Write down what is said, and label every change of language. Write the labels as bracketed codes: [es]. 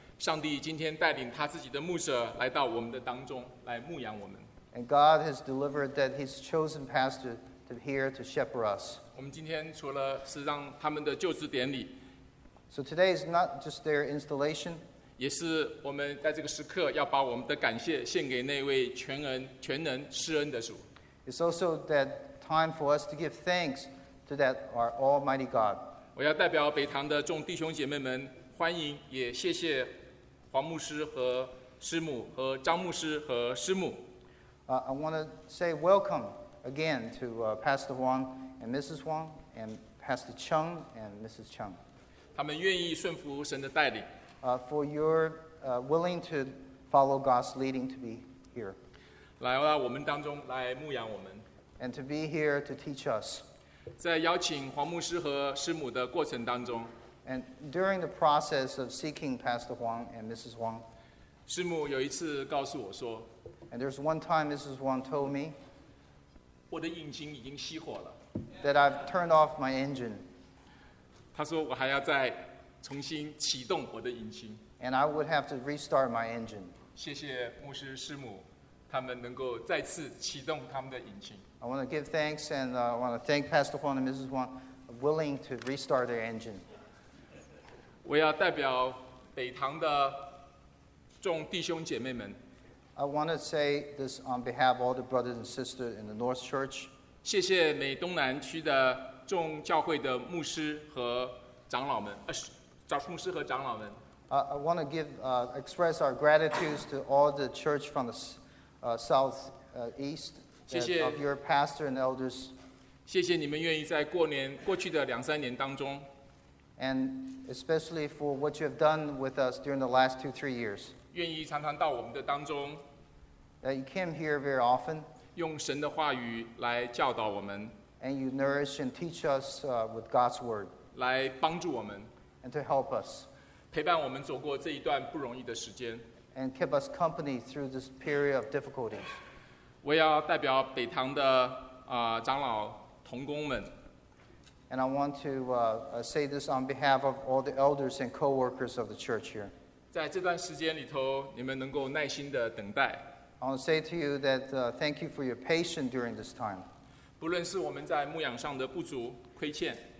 [zh] 上帝今天带领他自己的牧者来到我们的当中来牧养我们 [en] and God has delivered that his chosen pastor to here to shepherd us. [zh] 我们今天除了是让他们的就职典礼 [en] So today is not just their installation, [zh] 也是我们在这个时刻要把我们的感谢献给那位全能施恩的主 [en] It's also that time for us to give thanks,To that, our Almighty God. [zh] 我要代表北堂的众弟兄姐妹们欢迎，也谢谢黄牧师和师母和张牧师和师母。 [en] I want to say welcome again to Pastor Huang and Mrs. Huang and Pastor Cheng and Mrs. Cheng. [zh] 他们愿意顺服神的带领。 [en] For your willing to follow God's leading to be here. [zh] 来到我们当中来牧养我们。 [en] And to be here to teach us. [zh] 在邀请黄牧师和师母的过程当中。 [en] And during the process of seeking Pastor Huang and Mrs. Huang. [zh] 师母有一次告诉我说。 [en] And there's one time Mrs. Huang told me. [zh] 我的引擎已经熄火了。 [en] That I've turned off my engine. [zh] 她说我还要再重新启动我的引擎。 [en] And I would have to restart my engine. [zh] 谢谢牧师师母，他们能够再次启动他们的引擎。 [en] I want to give thanks and I want to thank Pastor Huang and Mrs. Huang willing to restart their engine. [zh] 我要代表北堂的众弟兄姐妹们。 [en] I want to say this on behalf of all the brothers and sisters in the North Church. [zh] 谢谢美东南区的众教会的牧师和长老们，牧师和长老们。 [en] I want to give express our gratitude to all the church from the south east of your pastor and elders. [zh] 谢谢你们愿意在过年过去的两三年当中。 [en] And especially for what you have done with us during the last two, three years. [zh] 愿意常常到我们的当中。 [en] That you came here very often. [zh] 用神的话语来教导我们。 [en] And you nourish and teach us with God's word. [zh] 来帮助我们。 [en] And to help us. [zh] 陪伴我们走过这一段不容易的时间。 [en] And keep us company through this period of difficulties. [zh] 我要代表北堂的长老同工们。 [en] And I want to say this on behalf of all the elders and co-workers of the church here. [zh] 在这段时间里头，你们能够耐心的等待。 [en] I want to say to you that thank you for your patience during this time. [zh] 不论是我们在牧养上的不足、亏欠。